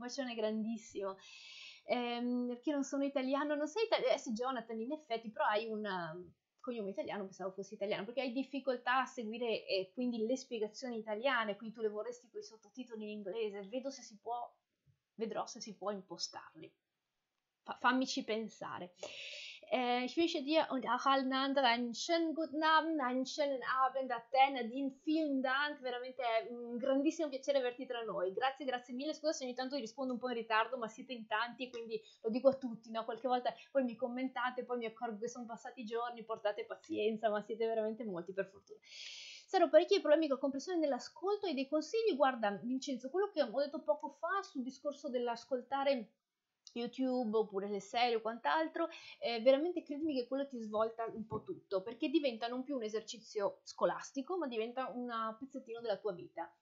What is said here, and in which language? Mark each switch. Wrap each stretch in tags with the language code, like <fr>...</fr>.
<it>Un bacione grandissimo. Perché non sono italiano, non sei italiano, sì, Jonathan, in effetti, però hai un cognome italiano, pensavo fossi italiano, perché hai difficoltà a seguire quindi le spiegazioni italiane, quindi tu le vorresti con i sottotitoli in inglese, vedrò se si può impostarli. Fammici pensare.</it> <de>Ich wünsche dir und auch allen anderen einen schönen guten Abend, einen schönen Abend</de> <it>a te,</it> <de>Nadine, vielen Dank,</de> <it>veramente è un grandissimo piacere averti tra noi. Grazie, grazie mille. Scusa se ogni tanto vi rispondo un po' in ritardo, ma siete in tanti, quindi lo dico a tutti, no? Qualche volta poi mi commentate, poi mi accorgo che sono passati i giorni, portate pazienza, ma siete veramente molti, per fortuna. Sarò parecchi problemi con comprensione nell'ascolto e dei consigli. Guarda, Vincenzo, quello che ho detto poco fa sul discorso dell'ascoltare YouTube oppure le serie o quant'altro, veramente credimi che quello ti svolta un po' tutto, perché diventa non più un esercizio scolastico, ma diventa un pezzettino della tua vita.</it>